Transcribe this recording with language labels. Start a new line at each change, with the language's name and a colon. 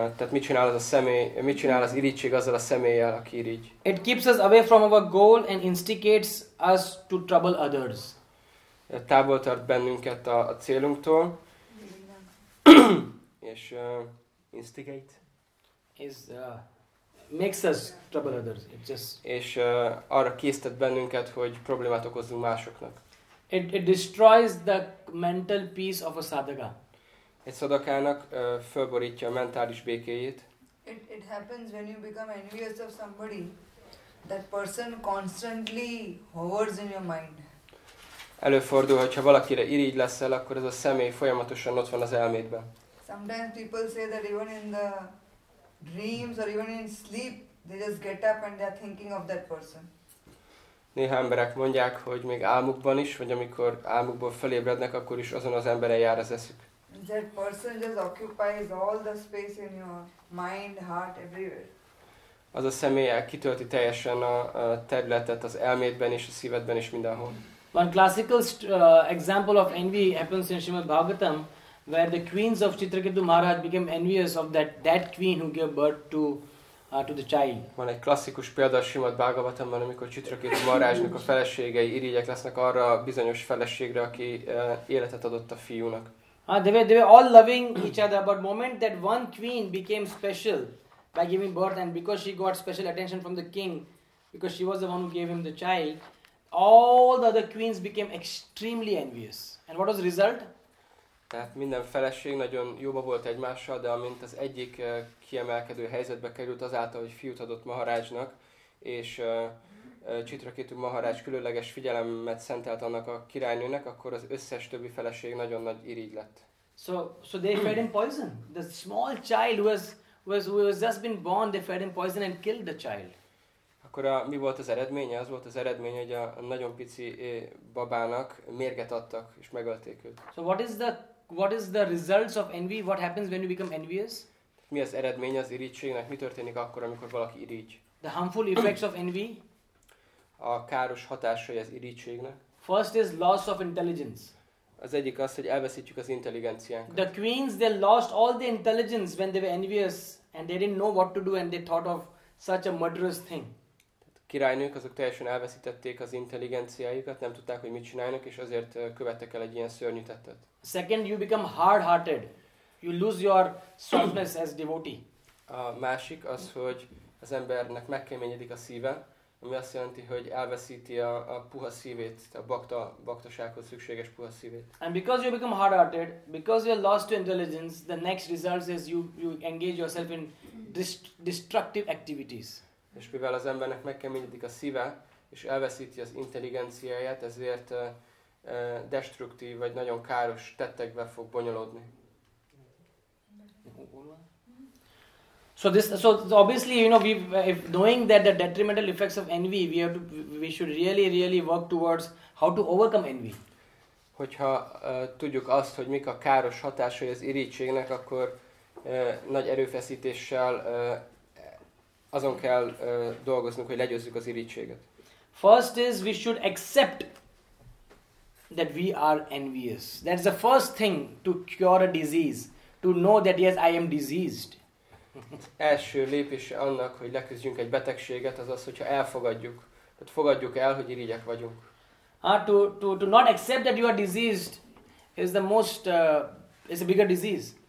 Hungarian: Mit csinál az irigység azzal a személlyel, aki irigy?
English: It keeps us away from our goal and instigates us to trouble others.
Hungarian: Távol tart bennünket a célunktól. És instigate.
English: Makes us trouble others. It just.
Hungarian: És arra késztet bennünket, hogy problémát okozzunk másoknak.
English: It destroys the mental peace of a sadhaka.
Hungarian: Egy szadakának fölborítja a mentális békéjét.
English: It happens when you become envious of somebody. That person constantly hovers in your mind.
Hungarian: Előfordul, hogyha valakire irigy leszel, akkor ez a személy folyamatosan ott van az elmédben.
English: Sometimes people say that even in the dreams or even in sleep, they just get up and they are thinking of that person.
Hungarian: Néha emberek mondják, hogy még álmukban is, vagy amikor álmukból felébrednek, akkor is azon az emberen jár az eszük.
English: That person just occupies all the space in your mind, heart, everywhere.
Hungarian: Az a személy kitölti teljesen a területet az elmédben és a szívedben is mindenhol.
English: One classical example of envy happens in Srimad Bhagavatam, where the queens of Chitraketu Maharaj became envious of that queen who gave birth to the child.
Hungarian: Van egy klasszikus példa a Srimad Bhagavatamban, amikor Chitraketu Maharajnak a feleségei irigyek lesznek arra a bizonyos feleségre, aki életet adott a fiúnak.
English: They were all loving each other, but the moment that one queen became special by giving birth, and because she got special attention from the king, because she was the one who gave him the child, all the other queens became extremely envious. And what was the result?
Hungarian: Tehát minden feleség nagyon jóba volt egymással, de amint az egyik kiemelkedő helyzetbe került azáltal, hogy fiút adott Maharajnak, és Chitraketu Maharaj különleges figyelemet szentelt annak a királynőnek, akkor az összes többi feleség nagyon nagy irigy lett.
English: So they fed him poison. The small child who was just been born, they fed him poison and killed the child.
Hungarian: Akkor mi volt az eredménye? Az volt az eredmény, hogy a nagyon pici babának mérget adtak és megölték őt.
English: So what is the results of envy? What happens when you become envious?
Hungarian: Mi az eredmény az irigységnek? Mi történik akkor, amikor valaki irigy?
English: The harmful effects of envy.
Hungarian: A káros hatásai az irigységnek.
English: First is loss of intelligence.
Hungarian: Az egyik az, hogy elveszítjük az intelligenciánkat.
English: The queens, they lost all the intelligence when they were envious and they didn't know what to do and they thought of such a murderous thing.
Hungarian: Királynők, azok teljesen elveszítették az intelligenciájukat, nem tudták, hogy mit csinálnak, és azért követtek el egy ilyen szörnyű tettet.
English: Second, you become hard-hearted. You lose your softness as devotee.
Hungarian: A másik az, hogy az embernek megkeményedik a szíve, ami azt jelenti, hogy elveszíti a puha szívét, a baktasághoz szükséges puha szívét.
English: And because you become hard-hearted, because you are lost to intelligence, the next result is you engage yourself in destructive activities.
Hungarian: És mivel az embernek megkeményedik a szíve, és elveszíti az intelligenciáját, ezért destruktív vagy nagyon káros tettekbe fog bonyolódni.
English: So obviously, you know, if knowing that the detrimental effects of envy, we should really work towards how to overcome envy.
Hungarian: Hogyha tudjuk azt, hogy mik a káros hatásai az irítségnek, akkor nagy erőfeszítéssel azon kell dolgoznunk, hogy legyőzzük az irítséget.
English: First is, we should accept that we are envious. That's the first thing to cure a disease, to know that yes, I am diseased.
Hungarian: Első lépés annak, hogy leküzdjünk egy betegséget, az az, hogyha elfogadjuk, tehát fogadjuk el, hogy irigyek vagyunk.
English: To not accept that you are diseased is the most is a bigger disease.